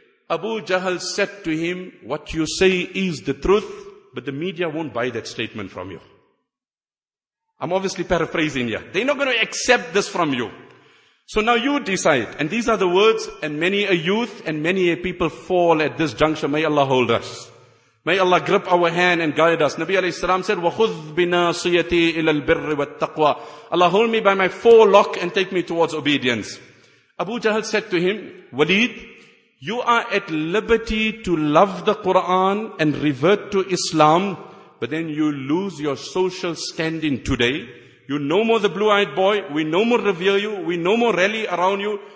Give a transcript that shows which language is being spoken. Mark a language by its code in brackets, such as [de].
[en] Abu Jahl said to him, what you say is the truth, but the media won't buy that statement from you. I'm obviously paraphrasing here. They're not going to accept this from you. So now you decide. And these are the words, and many a youth and many a people fall at this juncture. May Allah hold us. May Allah grip our hand and guide us. Nabi alayhi salam said, [ar] وَخُذْ بِنَاصِيَتِي إِلَى الْبِرِّ وَالتَّقْوَى. [en] Allah hold me by my forelock and take me towards obedience. Abu Jahl said to him, Walid, you are at liberty to love the Quran and revert to Islam, but then you lose your social standing today. You no more the blue-eyed boy. We no more revere you. We no more rally around you.